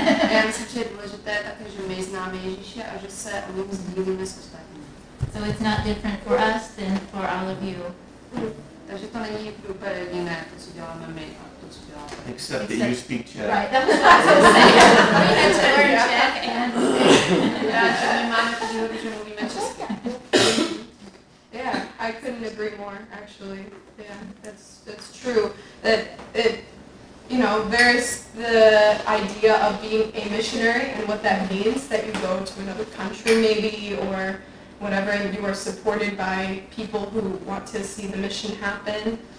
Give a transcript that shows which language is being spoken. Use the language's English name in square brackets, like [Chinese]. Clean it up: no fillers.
[Czech] Já myslím, že je důležité také, že my známe Ježíše a že se o něm sdílíme s ostatními. [English] So it's not different for us than for all of you. [Czech] Takže to není úplně jiné, to, co děláme my a to, co děláte. [English] Except that you speak Czech. Right, that was what I was going to say. We had to learn Czech and speak. Yeah, my mom had to do it. Yeah, I couldn't agree more, actually. Yeah, that's true. That it, you know, there's the idea of being a missionary and what that means, that you go to another country maybe or whatever, and you are supported by people who want to see the mission happen.